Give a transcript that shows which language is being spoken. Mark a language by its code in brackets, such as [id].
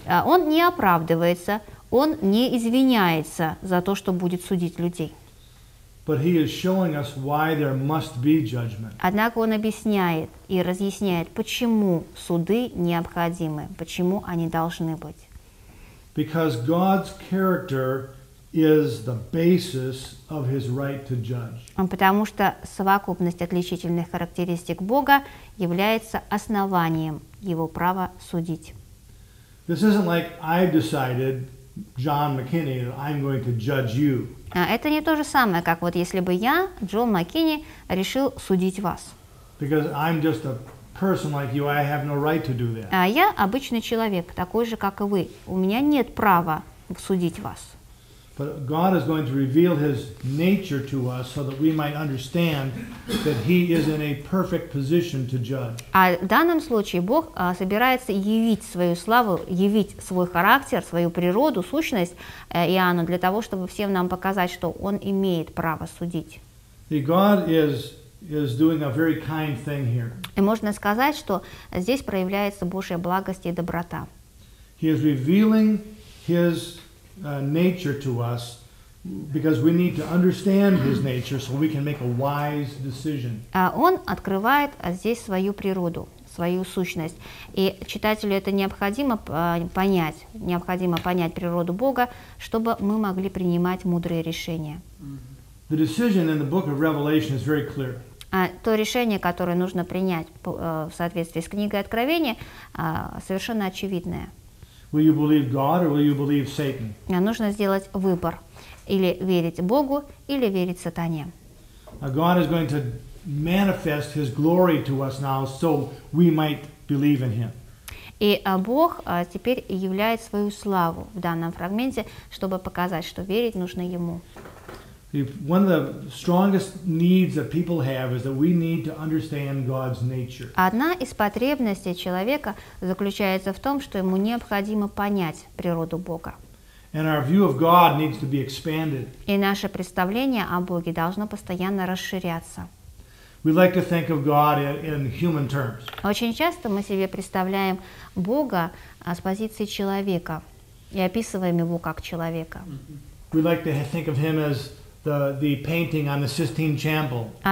[ru] Он не оправдывается, он не извиняется за то, что будет судить людей. [en] But he is showing us why there must be judgment. [ru] Однако он объясняет и разъясняет, почему суды необходимы, почему они должны быть. [en] Because God's character is the basis of his right to judge. [ru] Потому что совокупность отличительных характеристик Бога является основанием его права судить. [en] This isn't like I decided, John McKinney, that I'm going to judge you. [ru] Это не то же самое, как вот если бы я, Джон Маккини, решил судить вас. [en] Because I'm just a person like you, I have no right to do that. [ru] Я обычный человек, такой же, как и вы. У меня нет права судить вас. [en] But God is going to reveal his nature to us so that we might understand that he is in a perfect position to judge. [ru] А в данном случае Бог собирается явить свою славу, явить свой характер, свою природу, сущность Иоанну для того, чтобы всем нам показать, что он имеет право судить. [en] God is doing a very kind thing here. [ru] И можно сказать, что здесь проявляется Божья благость и доброта. [en] He is revealing his nature to us, because we need to understand his nature so we can make a wise decision. [ru] Он открывает здесь свою природу, свою сущность. И читателю это необходимо понять, природу Бога, чтобы мы могли принимать мудрые решения. [en] The decision in the book of Revelation is very clear. [ru] То решение, которое нужно принять в соответствии с книгой Откровения, совершенно очевидное. [en] Will you believe God or will you believe Satan? [ru] Нужно сделать выбор: или верить Богу, или верить Сатане. [en] God is going to manifest His glory to us now, so we might believe in Him. [ru] И Бог теперь являет свою славу в данном фрагменте, чтобы показать, что верить нужно Ему. [en] One of the strongest needs that people have is that we need to understand God's nature. [ru] Одна из потребностей человека заключается в том, что ему необходимо понять природу Бога. [en] And our view of God needs to be expanded. [ru] И наше представление о Боге должно постоянно расширяться. [en] We like to think of God in human terms. [ru] Очень часто мы себе представляем Бога с позиции человека и описываем его как человека. [en] We like to think of him as the painting on the Sistine Chapel.